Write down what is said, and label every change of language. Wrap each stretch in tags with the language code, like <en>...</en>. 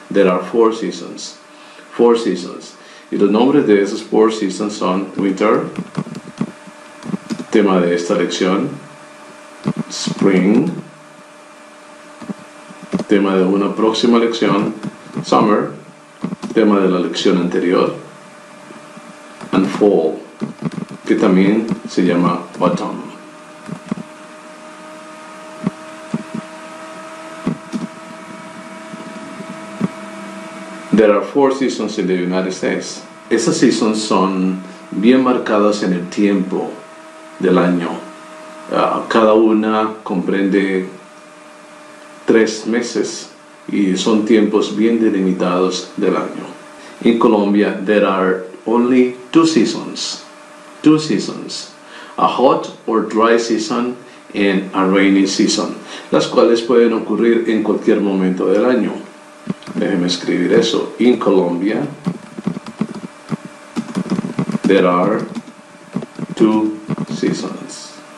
<en>There are four seasons. Four seasons.</en> <es>Y los nombres de esos four seasons son winter, tema de esta lección, spring, tema de una próxima lección, summer, tema de la lección anterior, and fall, que también se llama autumn.</es> <en>There are four seasons in the United States.</en> <es>Esas seasons son bien marcadas en el tiempo del año. Cada una comprende 3 meses y son tiempos bien delimitados del año.</es> <en>In Colombia, there are only two seasons. Two seasons. A hot or dry season and a rainy season.</en> <es>Las cuales pueden ocurrir en cualquier momento del año. Déjeme escribir eso.</es> <en>In Colombia, there are two seasons.</en>